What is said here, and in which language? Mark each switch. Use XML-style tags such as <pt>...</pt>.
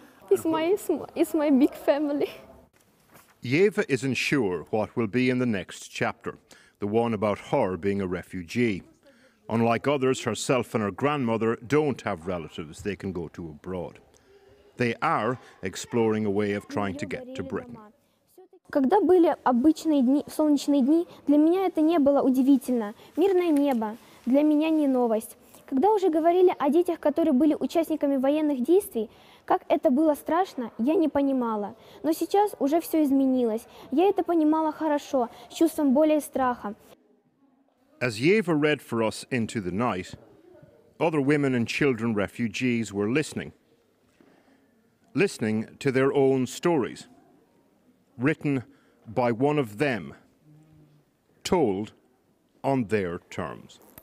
<en>It's my big family. Yeva isn't sure what will be in the next chapter, the one about her being a refugee. Unlike others, herself and her grandmother don't have relatives they can go to abroad. They are exploring a way of trying to get to Britain.</en> <ru>Когда были обычные дни, солнечные дни, для меня это не было удивительно. Мирное небо для меня не новость. Когда уже говорили о детях, которые были участниками военных действий, как это было страшно, я не понимала. Но сейчас уже все изменилось. Я это понимала хорошо, с чувством более страха.</ru> <en>As Yeva read for us into the night, other women and children refugees were listening. Listening to their own stories. Written by one of them. Told on their terms.</en>